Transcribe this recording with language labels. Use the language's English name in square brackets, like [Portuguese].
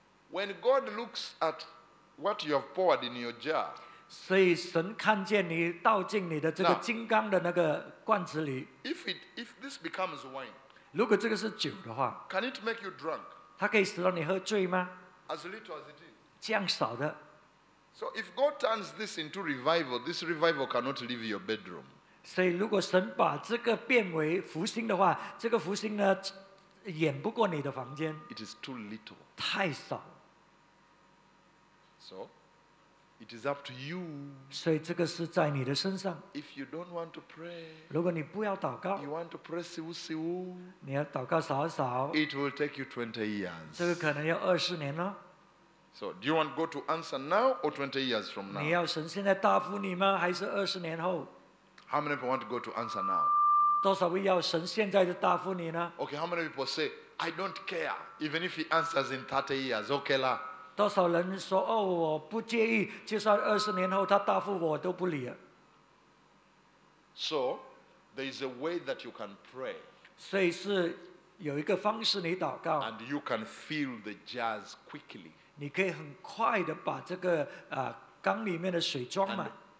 [English] When God looks at what you have poured in your jar, [Chinese] 所以神看见你倒进你的这个金刚的那个罐子里。 [English] Now, if this becomes wine, [Chinese] 如果这个是酒的话, [English] can it make you drunk? [Chinese] 它可以使到你喝醉吗? [English] As little as it is. [Chinese] 这样少的。 [English] So if God turns this into revival, this revival cannot leave your bedroom. [Chinese] 所以如果神把这个变为复兴的话, 这个复兴呢, 远不过你的房间。 [English] It is too little. [Chinese] 太少。 [English] So? It is up to you. [Chinese] 所以这个是在你的身上。 [English] If you don't want to pray, [Chinese] 如果你不要祷告, [English] you want to pray [Chinese] 少少, 你要祷告少少, [English] it will take you 20 years. [Chinese] 这个可能要20年咯。 [English] So do you want God to answer now or 20 years from now? [Chinese] 你要神现在答复你吗? 还是20年后? [English] How many people want God to answer now? Okay, how many people say, I don't care, even if he answers in 30 years, okay lah. [Chinese] 多少人说, 哦, 我不介意, 就算20年后他答复我, [English] so, there is a way that you can pray. [Chinese] 所以是有一个方式你祷告, [English] and you can feel the jars quickly. [Chinese] 你可以很快地把这个, 缸里面的水装满,